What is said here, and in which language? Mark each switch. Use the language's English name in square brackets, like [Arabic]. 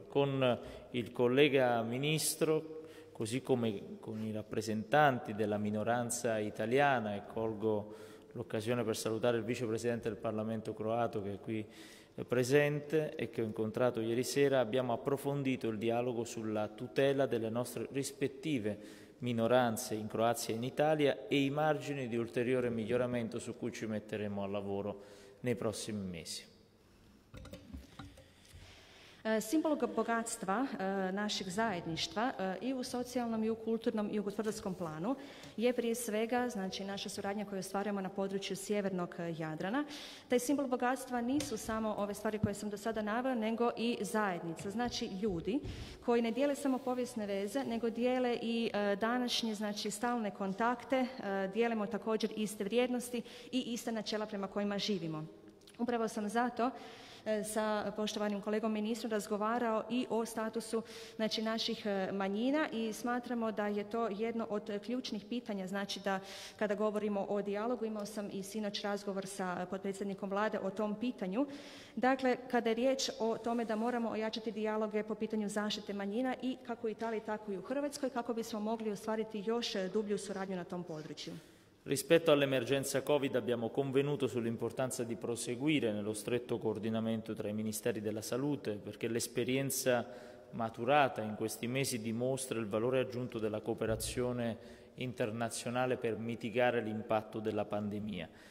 [Italian] Con il collega ministro, così come con i rappresentanti della minoranza italiana, e colgo l'occasione per salutare il vicepresidente del Parlamento croato che è qui presente e che ho incontrato ieri sera, abbiamo approfondito il dialogo sulla tutela delle nostre rispettive minoranze in Croazia e in Italia e i margini di ulteriore miglioramento su cui ci metteremo al lavoro nei prossimi mesi. [Croatian] Simbol bogatstva našeg zajedništva i u socijalnom i u kulturnom i u gospodarskom planu je prije svega znači naša suradnja koju ostvarujemo na području sjevernog Jadrana. Taj simbol bogatstva nisu samo ove stvari koje sam do sada navela, nego i zajednica, znači ljudi koji ne dijele samo povijesne veze, nego dijele i današnje, znači stalne kontakte, dijelimo također iste vrijednosti i iste načela prema kojima živimo. Upravo sam zato sa poštovanim kolegom ministrom razgovarao i o statusu znači, naših manjina i smatramo da je to jedno od ključnih pitanja, znači da kada govorimo o dijalogu, imao sam i sinoć razgovor sa potpredsjednikom vlade o tom pitanju. Dakle, kada je riječ o tome da moramo ojačati dijaloge po pitanju zaštite manjina i kako u Italiji, tako i u Hrvatskoj, kako bismo mogli ostvariti još dublju suradnju na tom području. [Italian] Rispetto all'emergenza Covid abbiamo convenuto sull'importanza di proseguire nello stretto coordinamento tra i Ministeri della Salute perché l'esperienza maturata in questi mesi dimostra il valore aggiunto della cooperazione internazionale per mitigare l'impatto della pandemia.